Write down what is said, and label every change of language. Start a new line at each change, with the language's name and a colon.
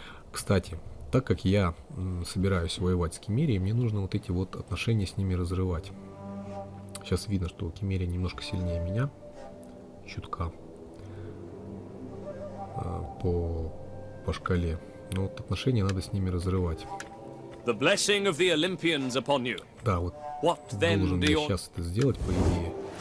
Russian: Кстати, так как я собираюсь воевать с Кемерией, мне нужно вот эти вот отношения с ними разрывать. Сейчас видно, что Кемерия немножко сильнее меня. Чутка. По шкале. Но вот отношения надо с ними разрывать.
English: The blessing of the Olympians upon you.
Russian: Да, вот what должен я сейчас это сделать, по идее.